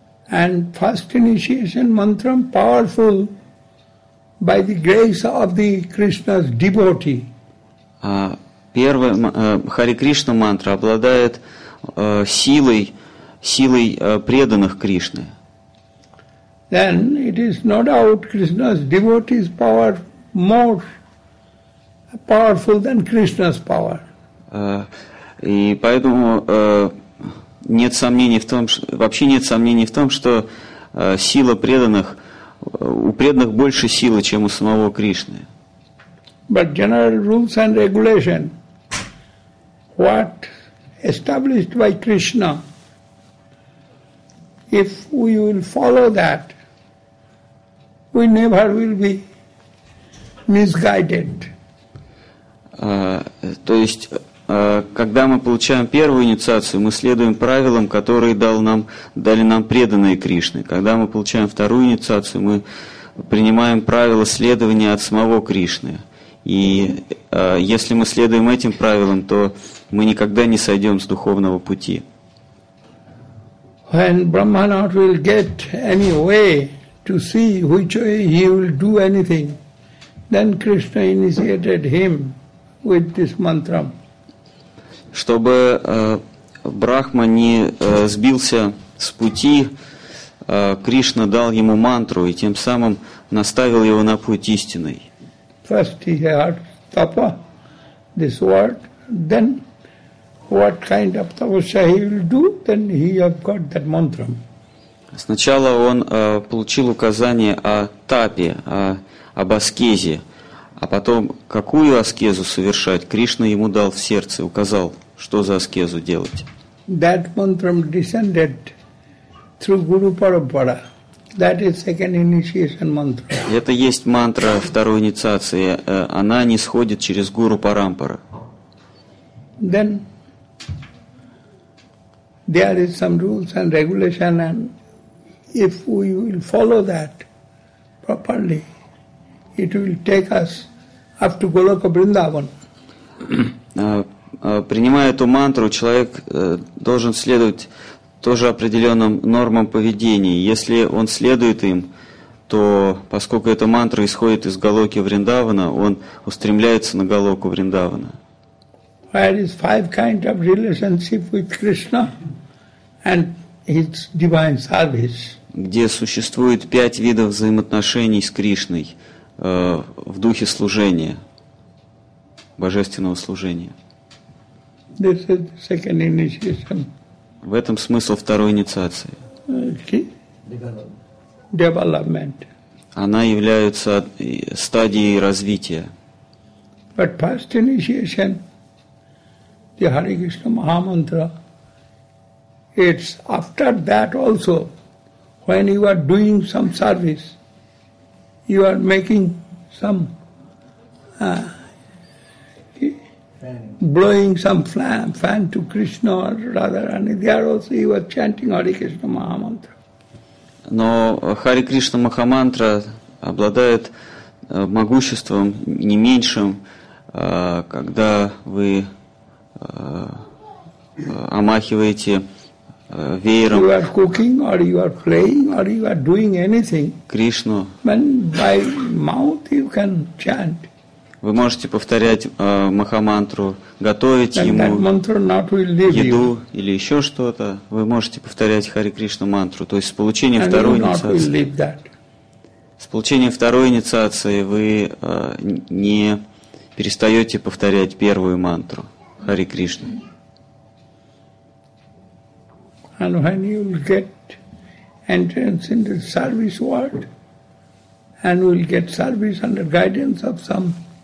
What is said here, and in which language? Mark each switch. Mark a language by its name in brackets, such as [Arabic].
[English] And first initiation mantra powerful By the grace of the Krishna's devotee. [Russian] Первая Хари Кришна мантра обладает силой преданных Кришны. [English] Then it is no doubt Krishna's devotee's power more powerful than Krishna's power. [Russian] И поэтому нет сомнений в том, вообще нет сомнений в том, что сила преданных У преданных больше силы, чем у самого Кришны. [English] But general rules and regulation, what established by Krishna, if we will follow that, we never will be misguided. [Russian] То есть, когда мы получаем первую инициацию, мы следуем правилам, которые дали нам преданные Кришны. Когда мы получаем вторую инициацию, мы принимаем правила следования от самого Кришны. И если мы следуем этим правилам, то мы никогда не сойдем с духовного пути. [English] When Brahmana will get any way to see which way he will do anything, then Krishna initiated him with this mantra. [Russian] Чтобы Брахма не сбился с пути, Кришна дал ему мантру и тем самым наставил его на путь истинный. [English] First he heard tapa, this word, then what kind of tapasya he will do, then he have got that mantra. [Russian] Сначала он получил указание о тапе, об аскезе, а потом какую аскезу совершать, Кришна ему дал в сердце, указал. Что за аскезу делать? [English] That mantra descended through Guru Parampara. That is second initiation mantra. [Russian] Это есть мантра второй инициации. Она нисходит через Гуру Парампара. [English] Then there is some rules and regulation, and if we will follow that properly, it will take us up to Goloka Vrindavan. [Russian] Принимая эту мантру, человек должен следовать тоже определенным нормам поведения. Если он следует им, то поскольку эта мантра исходит из Голоки Вриндавана, он устремляется на Голоку Вриндавана. [English] There is five kinds of relationship with Krishna and his divine service. [Russian] Где существует пять видов взаимоотношений с Кришной в духе служения, божественного служения. [English] This is the second initiation. [Russian] В этом смысл второй инициации. [English] Okay. Development. [Russian] Она является стадией развития. [English] But first initiation, the Hare Krishna Mahamantra, it's after that also, when you are doing some service, you are making some blowing some fan to Krishna or Radharani. There also he was chanting Hare Krishna Mahamantra. [Russian] Но Хари Кришна Махамантра обладает могуществом не меньшим, когда вы омахиваете веером. [English] You are cooking, or you are playing, or you are doing anything. [Russian] Кришну. [English] When by mouth you can chant. [Russian] Вы можете повторять махамантру, готовить ему еду или еще что-то. Вы можете повторять Харе Кришна мантру, то есть с получением второй инициации. С получением второй инициации вы не перестаете повторять первую мантру Харе Кришна. [English] And when you will get entrance into the service world, and you will get service under guidance of some.